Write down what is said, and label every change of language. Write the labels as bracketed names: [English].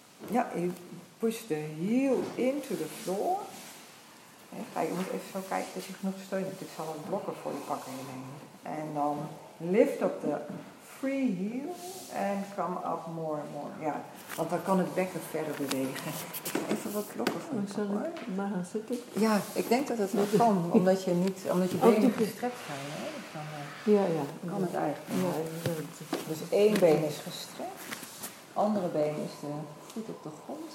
[English] Yeah, you push the heel into the floor. [Dutch] Kijk, je moet even zo kijken dat je genoeg steun hebt. Ik zal een blokker voor je pakken hier nemen. En dan... [English] Lift up the free heel and come up more and more. [Dutch] Ja, want dan kan het bekken verder bewegen. Even wat klokken van de kop, maar dan zit ik. Ja, ik denk dat het wel kan, omdat je niet, omdat je benen gestrekt zijn, hè? Kan het eigenlijk. Ja. Dus één been is gestrekt, andere been is de voet op de grond.